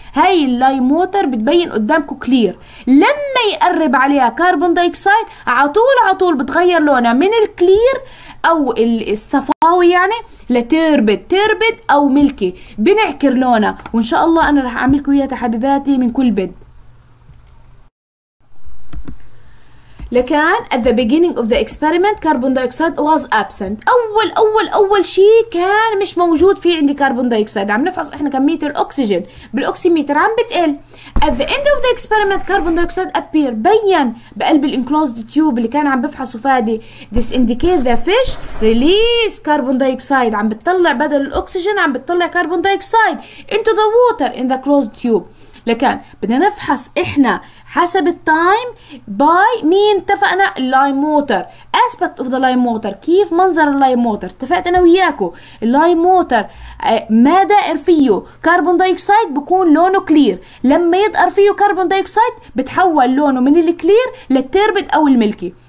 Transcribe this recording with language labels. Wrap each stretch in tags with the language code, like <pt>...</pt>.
<ar>هاي اللايم ووتر بتبين قدامكم كلير، لما يقرب عليها كربون دايوكسيد عطول عطول بتغير لونها من الكلير او الصفاوي يعني لتربد او ملكي، بنعكر لونها. وان شاء الله انا رح اعملكم اياها حبيباتي من كل بد. لكان</ar> <en>at the beginning of the experiment carbon dioxide was absent.</en> <ar>أول شيء كان مش موجود في عندي carbon dioxide. عم نفحص إحنا كمية الأكسجين بالأكسيميتر عم بتقل.</ar> <en>at the end of the experiment carbon dioxide appear،</en> <ar>بين بقلب ال enclosed tube اللي كان عم بفحصه فادي.</ar> <en>this indicate the fish release carbon dioxide،</en> <ar>عم بتطلع بدل الأكسجين عم بتطلع</ar> <en>carbon dioxide into the water in the closed tube.</en> <ar>لكان بدنا نفحص إحنا حسب التايم باي مين اتفقنا؟ اللايم موتر، اسبكت اوف ذا لايم موتر، كيف منظر اللايم موتر؟ اتفقت انا وياكو اللايم موتر ما دائر فيه كربون دايوكسيد بكون لونه كلير، لما يدقر فيه كربون دايوكسيد بتحول لونه من الكلير للتربد او الملكي.</ar>